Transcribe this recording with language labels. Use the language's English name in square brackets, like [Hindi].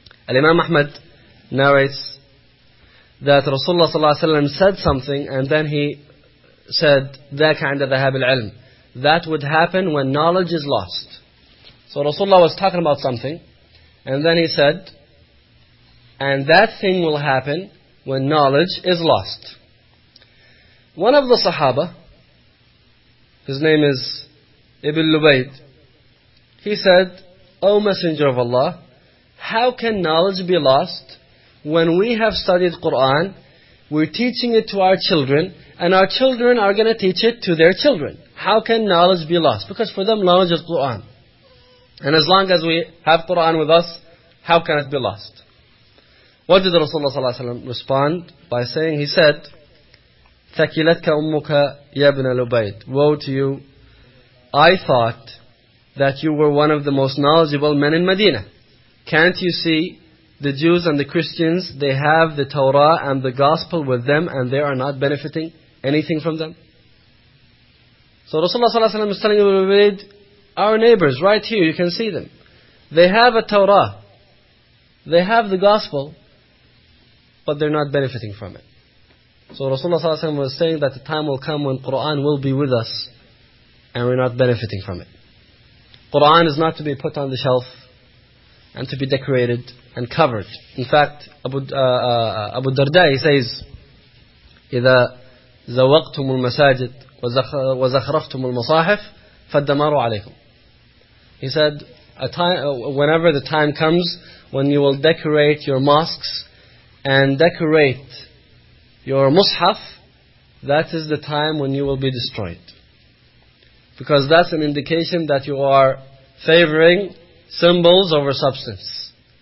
[English] الإمام أحمد narrates that Rasulullah صلى الله عليه وسلم said something and then he said [Arabic] ذاك عند ذهاب العلم. [English] That would happen when knowledge is lost. So Rasulullah was talking about something and then he said, and that thing will happen when knowledge is lost. One of the Sahaba, his name is Ibn Lubayd, he said, O Messenger of Allah, how can knowledge be lost when we have studied Qur'an, we're teaching it to our children, and our children are going to teach it to their children? How can knowledge be lost? Because for them, knowledge is Qur'an. And as long as we have Qur'an with us, how can it be lost? What did Rasulullah صلى الله عليه وسلم respond by saying? He said, [Arabic] ثَكِلَتْكَ أُمُّكَ يَا بْنَ لُبَيْدِ. [English] Woe to you. I thought that you were one of the most knowledgeable men in Medina. Can't you see the Jews and the Christians, they have the Torah and the Gospel with them and they are not benefiting anything from them? So Rasulullah ﷺ is telling Ibn Ubayd, our neighbors right here, you can see them. They have a Torah. They have the Gospel, but they're not benefiting from it. So Rasulullah ﷺ was saying that the time will come when Qur'an will be with us and we're not benefiting from it. Quran is not to be put on the shelf and to be decorated and covered. In fact, Abu Darda, he says, [Arabic] إذا زوقتم المساجد وزخرفتم المصاحف فدمروا عليكم. [English] He said, whenever the time comes when you will decorate your mosques and decorate your mushaf, that is the time when you will be destroyed. Because that's an indication that you are favoring symbols over substance.